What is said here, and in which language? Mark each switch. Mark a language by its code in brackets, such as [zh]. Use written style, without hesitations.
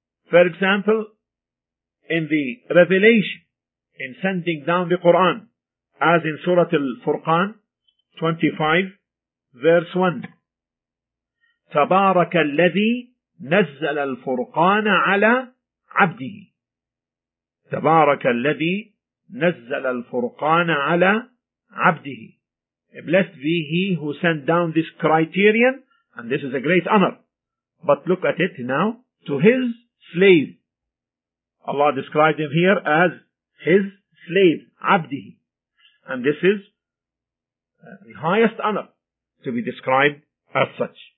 [en] For example, in the revelation, in sending down the Quran, as in Surah Al-Furqan 25, verse 1. [ar] تبارك الذي نزل الفرقان على عبده. تبارك الذي نزل الفرقان على عبده. [en] Blessed be he who sent down this criterion, and this is a great honor. But look at it now, to his slave. Allah described him here as his slave, عبده. And this is the highest honor to be described as such.